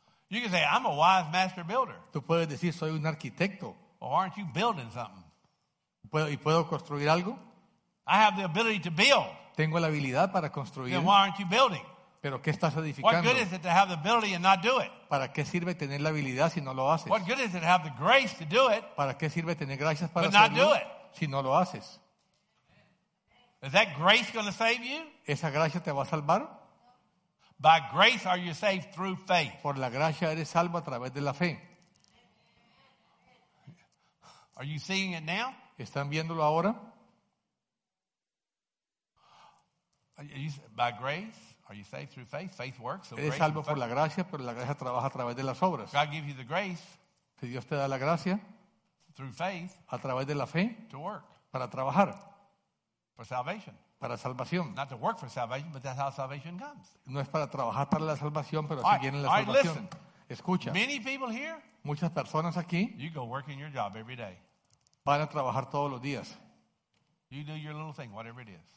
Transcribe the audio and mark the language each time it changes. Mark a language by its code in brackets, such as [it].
[en] You can say, I'm a wise master builder. [es] Tú puedes decir, soy un arquitecto. [en] Or aren't you building something? [es] ¿Y puedo construir algo? [en] I have the ability to build. [es] Tengo la habilidad para construir. [en] Then why aren't you building? [es] ¿Pero qué estás edificando? [en] What good is it to have the ability and not do it? [es] ¿Para qué sirve tener la habilidad si no lo haces? [en] What good is it to have the grace to do it? [es] ¿Para qué sirve tener gracias para [en] but [es] hacerlo [en] not do it? [es] Si no lo haces? [en] Is that grace going to save you? [es] ¿Esa gracia te va a salvar? [en] By grace are you saved through faith. [es] Por la gracia eres salvo a través de la fe. [en] Are you seeing it now? [es] ¿Están viéndolo ahora? [en] By grace. Are you saved through faith? Faith works. [es] Eres salvo por la gracia, pero la gracia trabaja a través de las obras. [en] God gives you the grace. [es] Si Dios te da la gracia. [en] Through faith. [es] A través de la fe. [en] To work. [es] Para trabajar. [en] For salvation. [es] Para salvación. [en] Not to work for salvation, but that's how salvation comes. [es] No es para trabajar para la salvación, pero así viene la salvación. Escucha. [en] Many people here. [es] Muchas personas aquí. [en] You go work in your job every day. [es] Van a trabajar todos los días. [en] You do your little thing, whatever it is.